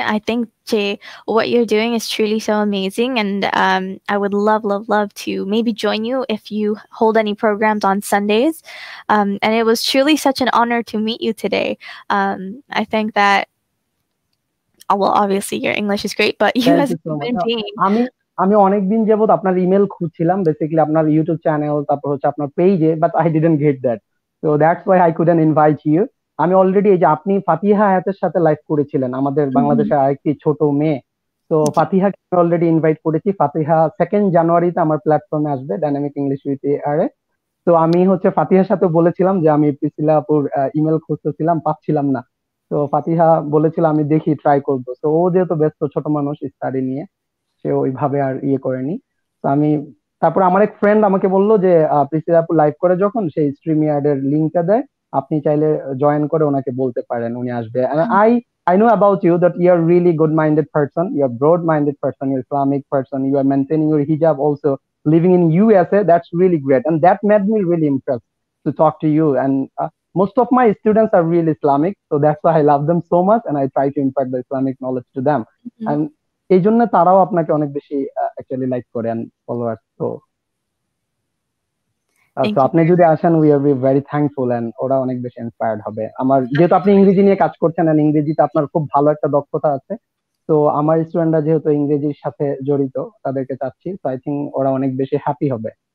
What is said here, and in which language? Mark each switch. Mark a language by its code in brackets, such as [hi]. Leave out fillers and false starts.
[en] I think what you're doing is truly so amazing, and I would love to maybe join you if you hold any programs on Sundays. And it was truly such an honor to meet you today. I think that, well, obviously your English is great, but you as a human being. [bn] আমি অনেকদিন যাবত আপনার email খুঁজছিলাম, basically আপনার YouTube channel, তারপর হচ্ছে আপনার page, [en] but I didn't get that. So that's why I couldn't invite you. [bn] আমি অলরেডি এই যে আপনি ফাতিহা হায়াতের সাথে লাইভ করেছিলেন আমাদের বাংলাদেশের আরেকটি ছোট মেয়ে, তো ফাতিহাকে আমি অলরেডি ইনভাইট করেছি, ফাতিহা 2nd জানুয়ারিতে আমার প্ল্যাটফর্মে আসবে ডাইনামিক ইংলিশ উইথ এআর এ। তো আমি হচ্ছে ফাতিহার সাথে বলেছিলাম যে আমি পিসিলা আপুর ইমেল খুঁজতেছিলাম পাচ্ছিলাম না, তো ফাতিহা বলেছিল আমি দেখি ট্রাই করবো। তো ও যেহেতু ব্যস্ত ছোট মানুষ স্টাডি নিয়ে, সে ওইভাবে আর ইয়ে করেনি। তো আমি তারপর আমার এক ফ্রেন্ড আমাকে বললো যে পিসিলা আপু লাইভ করে যখন সেই স্ট্রিম ইয়ার্ড এর লিঙ্কটা দেয়, আপনি চাইলে জয়েন করে ওনাকে বলতে পারেন, উনি আসবে। [en] I know about you that you are really good minded person, you are broad minded person, you are Islamic person, you are maintaining your hijab also, living in USA, that's really great, and that made me really impressed to talk to you. And most of my students are really Islamic, so that's why I love them so much and I try to impart the Islamic knowledge to them. [bn] Mm-hmm. And ei jonno tarao apnake onek beshi actually like kore and followers. So তো আপনি যদি আসেন [en] we are be very thankful, [bn] and ওরা অনেক বেশি inspired হবে আমার, যেহেতু আপনি ইংরেজি নিয়ে কাজ করছেন এন্ড ইংরেজিতে আপনার খুব ভালো একটা দক্ষতা আছে। তো আমার স্টুডেন্টরা যেহেতু ইংরেজির সাথে জড়িত তাদেরকে চাচ্ছি, [en] so I think [bn] ওরা অনেক বেশি হ্যাপি হবে।